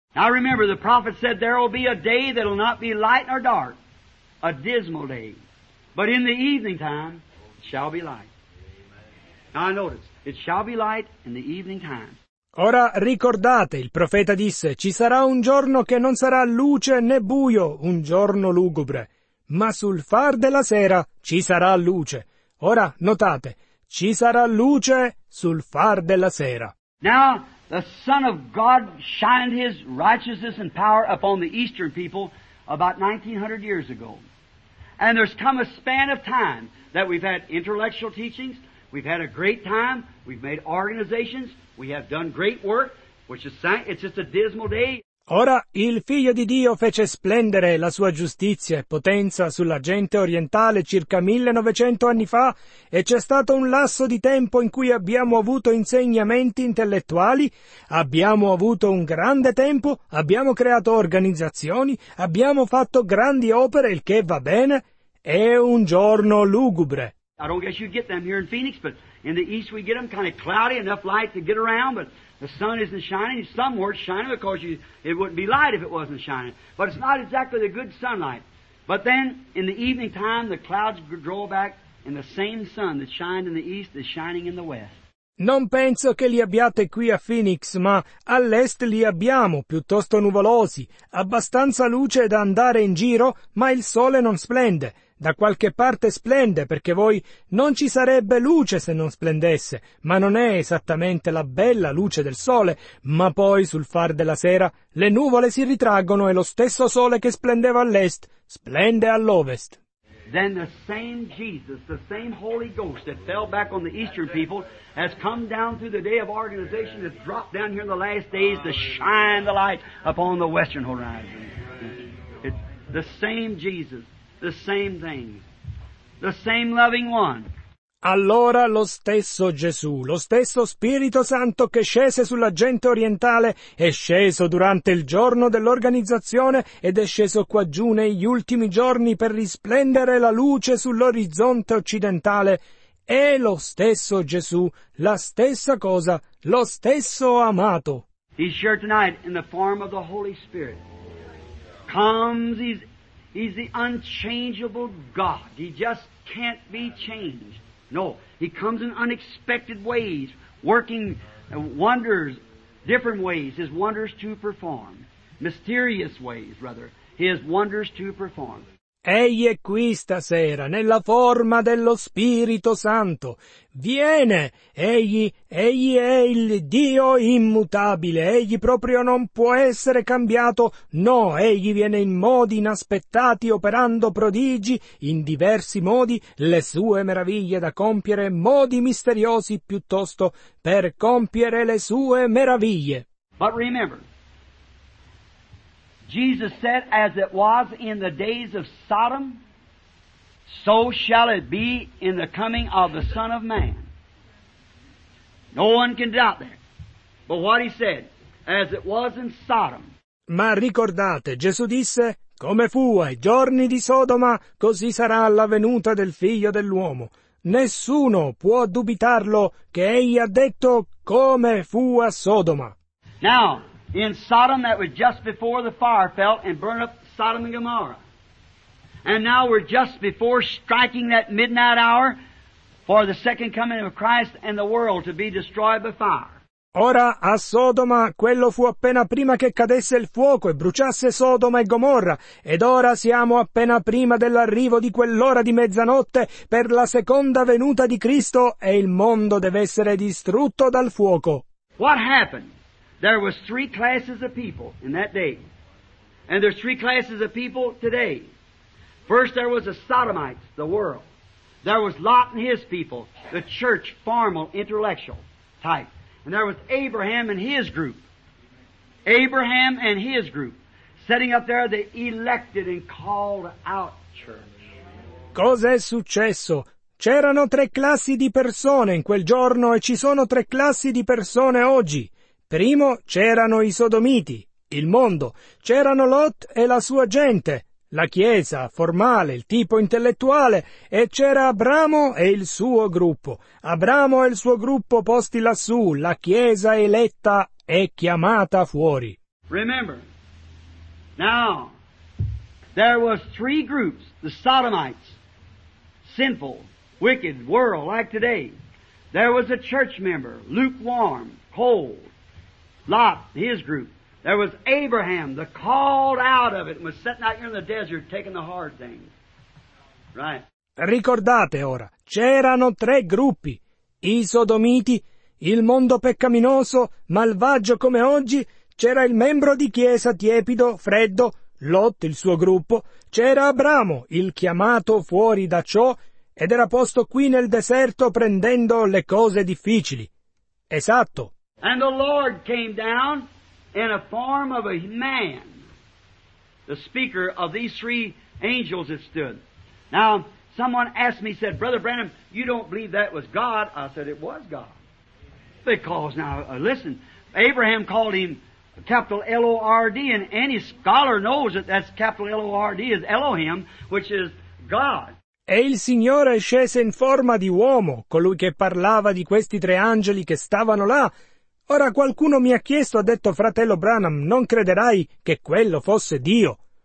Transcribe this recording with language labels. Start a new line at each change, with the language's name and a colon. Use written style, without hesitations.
English: Now remember, the prophet said there will be a day that will not be light nor dark, a dismal day. But in the evening time, it shall be light. Now notice, it shall be light in the evening time.
Italian: Ora ricordate, il profeta disse, ci sarà un giorno che non sarà luce né buio, un giorno lugubre, ma sul far della sera ci sarà luce. Ora notate, ci sarà luce sul far della sera.
English: Now, the Son of God shined his righteousness and power upon the Eastern people about 1900 years ago. And there's come a span of time that we've had intellectual teachings, we've had a great time, we've made organizations, we have done great work, which is it's just a dismal day.
Italian: Ora il Figlio di Dio fece splendere la sua giustizia e potenza sulla gente orientale circa 1900 anni fa e c'è stato un lasso di tempo in cui abbiamo avuto insegnamenti intellettuali, abbiamo avuto un grande tempo, abbiamo creato organizzazioni, abbiamo fatto grandi opere, il che va bene, è un giorno lugubre.
English: I don't guess you get them here in Phoenix, but in the east we get them kind of cloudy, enough light to get around, but the sun isn't shining. Some weren't shining because it wouldn't be light if it wasn't shining. But it's not exactly the good sunlight. But then in the evening time the clouds draw back and the same sun that shined in the east is shining in the west.
Italian: Non penso che li abbiate qui a Phoenix, ma all'est li abbiamo, piuttosto nuvolosi, abbastanza luce da andare in giro, ma il sole non splende. Da qualche parte splende, perché voi non ci sarebbe luce se non splendesse, ma non è esattamente la bella luce del sole, ma poi sul far della sera le nuvole si ritraggono e lo stesso sole che splendeva all'est splende all'ovest.
English: Then the same Jesus, the same Holy Ghost that fell back on the Eastern people has come down through the day of organization, has dropped down here in the last days to shine the light upon the western horizon. It's the same Jesus. The same thing. The same loving one.
Italian: Allora lo stesso Gesù, lo stesso Spirito Santo che scese sulla gente orientale, è sceso durante il giorno dell'organizzazione ed è sceso qua giù negli ultimi giorni per risplendere la luce sull'orizzonte occidentale. È lo stesso Gesù, la stessa cosa, lo stesso amato.
English: He's here tonight in the form of the Holy Spirit. Comes, he's the unchangeable God. He just can't be changed. No, he comes in unexpected ways, working wonders, different ways, his wonders to perform. Mysterious ways, rather, his wonders to perform.
Italian: Egli è qui stasera, nella forma dello Spirito Santo. Viene! Egli è il Dio immutabile. Egli proprio non può essere cambiato. No, egli viene in modi inaspettati, operando prodigi, in diversi modi, le sue meraviglie da compiere, modi misteriosi piuttosto, per compiere le sue meraviglie.
English: But remember, Jesus said, as it was in the days of Sodom, so shall it be in the coming of the Son of Man. No one can doubt that. But what he said, as it was in Sodom.
Italian: Ma ricordate, Gesù disse, come fu ai giorni di Sodoma, così sarà la venuta del Figlio dell'uomo. Nessuno può dubitarlo che egli ha detto come fu a Sodoma.
English: Now, in Sodom, that was just before the fire fell and burned up Sodom and Gomorrah. And now we're just before striking that midnight hour for the second coming of Christ and the world to be destroyed by fire.
Italian: Ora a Sodoma quello fu appena prima che cadesse il fuoco e bruciasse Sodoma e Gomorra, ed ora siamo appena prima dell'arrivo di quell'ora di mezzanotte per la seconda venuta di Cristo e il mondo deve essere distrutto dal fuoco.
English: What happened? There was three classes of people in that day. And there's three classes of people today. First, there was the Sodomites, the world. There was Lot and his people, the church, formal, intellectual type. And there was Abraham and his group. Abraham and his group. Setting up there the elected and called out church.
Italian: Cos'è successo? C'erano tre classi di persone in quel giorno e ci sono tre classi di persone oggi. Primo c'erano i Sodomiti, il mondo, c'erano Lot e la sua gente, la chiesa, formale, il tipo intellettuale, e c'era Abramo e il suo gruppo. Abramo e il suo gruppo posti lassù, la chiesa eletta e chiamata fuori.
English: Remember, now, there was three groups, the Sodomites, sinful, wicked, world, like today. There was a church member, lukewarm, cold. Lot, his group. There was Abraham, the called out of it, and was sitting out here in the desert taking the hard things. Right.
Italian: Ricordate ora, c'erano tre gruppi, i sodomiti, il mondo peccaminoso, malvagio come oggi, c'era il membro di chiesa tiepido, freddo, Lot, il suo gruppo, c'era Abramo, il chiamato fuori da ciò, ed era posto qui nel deserto prendendo le cose difficili. Esatto.
English: And the Lord came down in a form of a man, the speaker of these three angels that stood. Now, someone asked me, said, Brother Branham, you don't believe that was God? I said, it was God. Because, now, listen, Abraham called him capital L-O-R-D, and any scholar knows that that's capital L-O-R-D is Elohim, which is God.
Italian: E il Signore scese in forma di uomo, colui che parlava di questi tre angeli che stavano là. Ora qualcuno mi ha chiesto, ha detto, fratello Branham, non crederai che quello fosse Dio?